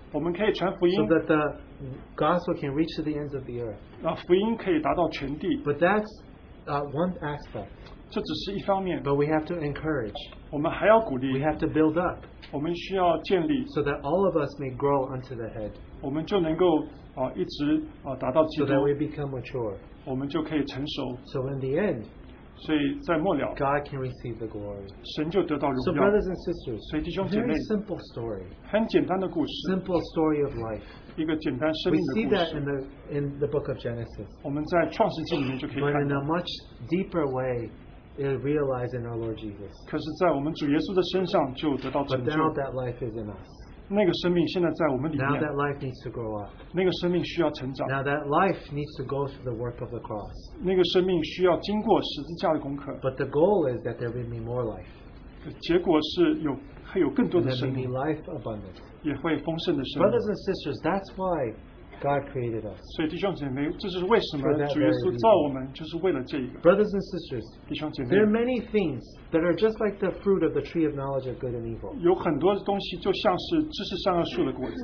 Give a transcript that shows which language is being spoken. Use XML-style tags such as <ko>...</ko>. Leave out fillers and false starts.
<zh>我们可以传福音,</zh> <en>so that the gospel can reach to the ends of the earth.</en> <zh>福音可以达到全地,</zh> <en>but that's one aspect.</en> <zh>这只是一方面,</zh> <en>but we have to encourage.</en> <zh>我们还要鼓励,</zh> <en>we have to build up.</en> <zh>我们需要建立,</zh> <en>so that all of us may grow unto the head.</en> <zh>我们就能够, 一直, 达到基督,</zh> <en>so that we become mature.</en> <zh>我们就可以成熟,</zh> <en>so in the end,</en> <zh>所以在末了,</zh> <en>God can receive the glory.</en> <zh>神就得到荣耀,</zh> <en>so brothers and sisters,</en> <zh>所以弟兄姐妹,</zh> <en>very simple story.</en> <zh>很简单的故事,</zh> <en>simple story of life. We see that in the book of Genesis.</en> <zh>我们在创世纪里面就可以看,</zh> <en>but in a much deeper way, it realized in our Lord Jesus.</en> <zh>可是在我们主耶稣的身上就得到拯救,</zh> <en>but now that life is in us.</en> <zh>那个生命现在在我们里面,</zh> <en>now that life needs to grow up.</en> <zh>那个生命需要成长,</zh> <en>now that life needs to go through the work of the cross.</en> <zh>那个生命需要经过十字架的功课,</zh> <en>but the goal is that there may be more life.</en> <zh>结果是有, 还有更多的生命,</zh> <en>and there may be life abundant.</en> <zh>也会丰盛的生命,</zh> <en>brothers and sisters, that's why God created us.</en> <zh>所以弟兄姐妹, 这是为什么主耶稣造我们, 就是为了这一个,</zh> <en>brothers and sisters,</en> <zh>弟兄姐妹,</zh> <en>there are many things that are just like the fruit of the tree of knowledge of good and evil.</en> <zh>有很多东西就像是知识上的树的果子,</zh>